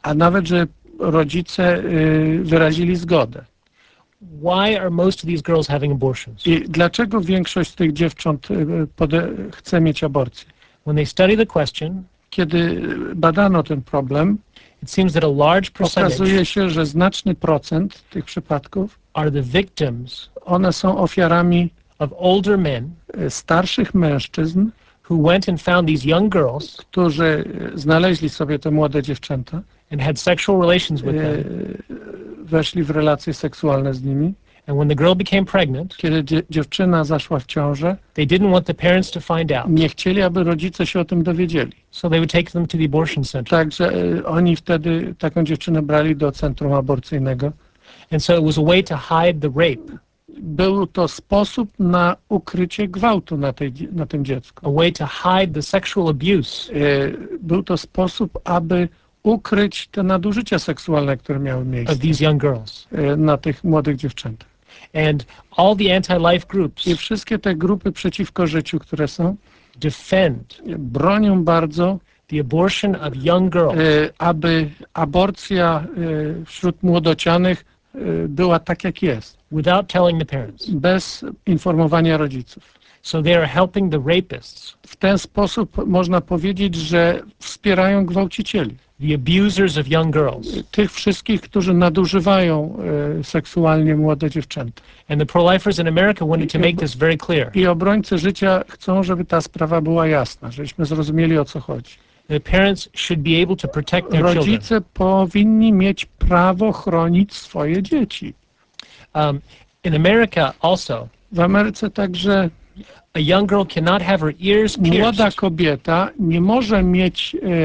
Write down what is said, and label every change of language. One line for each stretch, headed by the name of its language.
Polish: A nawet, że rodzice wyrazili zgodę.
English: Why are most of these girls having abortions?
Polish: I dlaczego większość tych dziewcząt chce mieć aborcję?
English: When they study the question,
Polish: kiedy badano ten problem,
English: it seems that a large percentage,
Polish: okazuje się, że znaczny procent tych przypadków,
English: are the victims,
Polish: one są ofiarami,
English: of older men,
Polish: starszych mężczyzn,
English: who went and found these young girls,
Polish: którzy znaleźli sobie te młode dziewczęta,
English: and had sexual relations with them,
Polish: weszli w relacje seksualne z nimi,
English: and when the girl became pregnant,
Polish: kiedy dziewczyna zaszła w ciążę,
English: they didn't want the parents to find out,
Polish: nie chcieli, aby rodzice się o tym dowiedzieli,
English: so they would take them to the abortion center.
Polish: Także oni wtedy taką dziewczynę brali do centrum aborcyjnego.
English: And so it was a way to hide the rape.
Polish: Był to sposób na ukrycie gwałtu na tym dziecku.
English: A way to hide the sexual abuse.
Polish: Był to sposób, aby ukryć te nadużycia seksualne, które miały miejsce.
English: Of these young girls.
Polish: Na tych młodych dziewczętach.
English: And all the anti-life groups.
Polish: I wszystkie te grupy przeciwko życiu, które są.
English: Defend.
Polish: Bronią bardzo.
English: The abortion of young girls.
Polish: Aby aborcja wśród młodocianych była tak, jak jest.
English: Without telling the parents.
Polish: Bez informowania rodziców.
English: So they are helping the rapists.
Polish: W ten sposób można powiedzieć, że wspierają gwałcicieli.
English: The abusers of young girls.
Polish: Tych wszystkich, którzy nadużywają seksualnie młode dziewczęta.
English: And the pro-lifers in America wanted to make this very clear.
Polish: I obrońcy życia chcą, żeby ta sprawa była jasna, żebyśmy zrozumieli, o co chodzi.
English: The parents should be able to protect their
Polish: rodzice
English: children.
Polish: Rodzice powinni mieć prawo chronić swoje dzieci.
English: In America also.
Polish: W Ameryce także.
English: A young girl cannot have her ears pierced.
Polish: Młoda kobieta nie może mieć